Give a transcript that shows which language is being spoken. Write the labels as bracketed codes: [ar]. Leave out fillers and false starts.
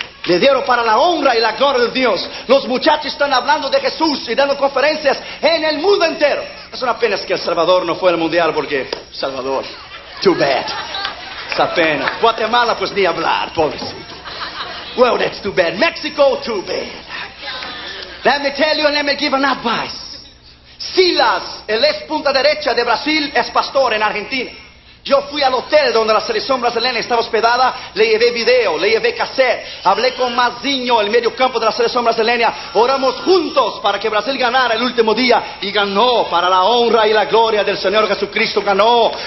[es] Le dieron para la honra y la gloria de Dios. Los muchachos están hablando de Jesús y dando conferencias en el mundo entero. Es una pena que El Salvador no fue al Mundial, porque Salvador, [en] too bad. [es] Es pena. Guatemala, pues ni hablar, pobrecito. [en] Well, that's too bad. Mexico, too bad. Let me tell you and let me give an advice. [es] Silas, el ex punta derecha de Brasil, es pastor en Argentina. Yo fui al hotel donde la selección brasileña estaba hospedada, le llevé video, le llevé cassette, hablé con Mazinho, el medio campo de la selección brasileña, oramos juntos para que Brasil ganara el último día, y ganó para la honra y la gloria del Señor Jesucristo, ganó.